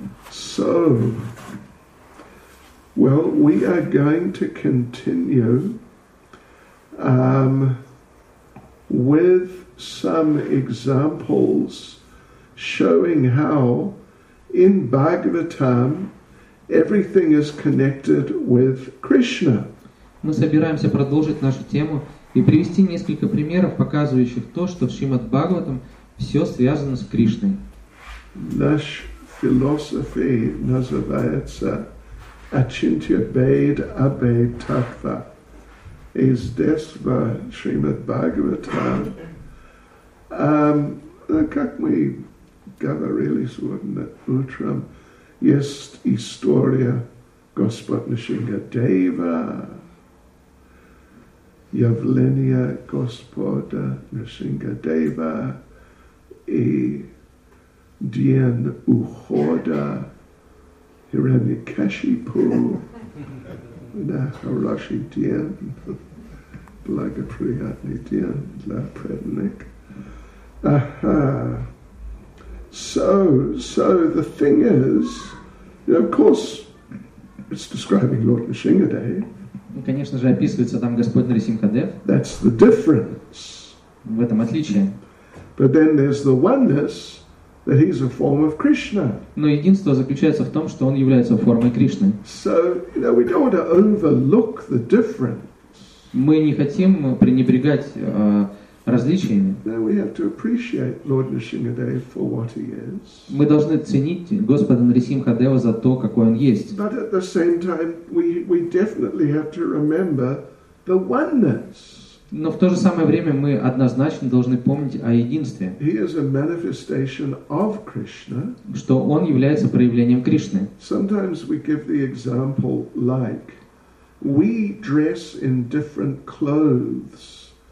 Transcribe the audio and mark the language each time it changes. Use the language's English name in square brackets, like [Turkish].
[English] So, well, we are going to continue with some examples showing how in Bhagavatam everything is connected with Krishna. [Russian] Мы собираемся продолжить нашу тему и привести несколько примеров, показывающих то, что в Шримад Бхагаватам все связано с Кришной. Наш философия называется Ачинтья-бхед-абхед-таттва. И здесь в Шримад Бхагаватам, как мы говорили сегодня утром, есть история Господь Нишинга Дева, явление Господа Нишинга Дева и день ухода Хираньякашипу. Да, хороший день, благоприятный день для предника. Ага. [English] So the thing is, you know, of course, it's describing Lord Nrisimhadeva. [Russian] Конечно же, описывается там Господь Нрисимхадев. [English] That's the difference. [Russian] В этом отличие. [English] But then there's the oneness that he's a form of Krishna. [Russian] Но единство заключается в том, что он является формой Кришны. [English] So, you know, we don't want to overlook the difference. [Russian] Мы не хотим пренебрегать различиями. [English] We have to appreciate Lord Nrisimhadeva for what he is. [Russian] Мы должны ценить Господа Нрисимхадева за то, какой он есть. [English] But at the same time, we definitely have to remember the oneness. [Russian] Но в то же самое время мы однозначно должны помнить о единстве. [English] He is a manifestation of Krishna. [Russian] Что он является проявлением Кришны. [English] Sometimes we give the example like we dress in different clothes.